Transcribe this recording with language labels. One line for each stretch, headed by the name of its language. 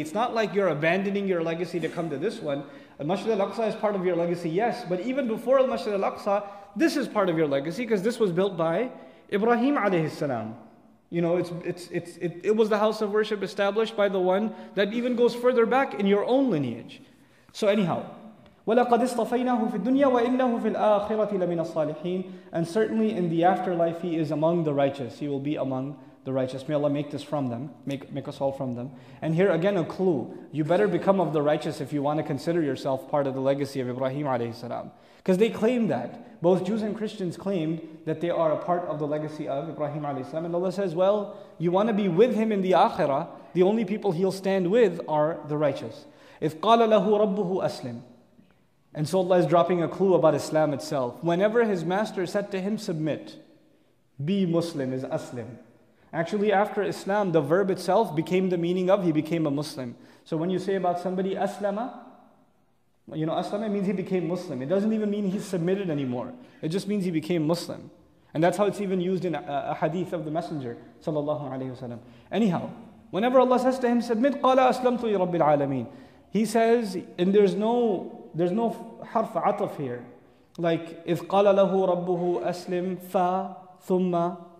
English: It's not like you're abandoning your legacy to come to this one. Al-Masjid al-Aqsa is part of your legacy, yes. But even before Al-Masjid al-Aqsa, this is part of your legacy because this was built by Ibrahim alayhi salam. You know, it was the house of worship established by the one that even goes further back in your own lineage. So anyhow,
Arabic: وَلَقَدِ اصْطَفَيْنَاهُ فِي الدُّنْيَا وَإِنَّهُ فِي الْآخِرَةِ لَمِنَ الصَّالِحِينَ.
English: And certainly in the afterlife he is among the righteous. He will be among the righteous. May Allah make this from them. Make us all from them. And here again a clue. You better become of the righteous if you want to consider yourself part of the legacy of Ibrahim alayhi salam. Because they claim that. Both Jews and Christians claimed that they are a part of the legacy of Ibrahim alayhi salam. And Allah says, well, you want to be with him in the akhirah. The only people he'll stand with are the righteous.
Arabic: إِذْ قَالَ لَهُ رَبُّهُ أَسْلِمْ.
English: And so Allah is dropping a clue about Islam itself. Whenever his master said to him, submit, be Muslim is aslim. Actually, after Islam, the verb itself became the meaning of he became a Muslim. So when you say about somebody, aslama, you know, aslama means he became Muslim. It doesn't even mean he submitted anymore. It just means he became Muslim. And that's how it's even used in a hadith of the Messenger, sallallahu alayhi wa sallam. Anyhow, whenever Allah says to him, submit,
Arabic: qala aslamtu li rabbil alameen.
English: He says, and there's no harf ataf here. Like,
Arabic: إِذْ قَالَ لَهُ رَبُّهُ أَسْلِمْ فَا ثُمَّ.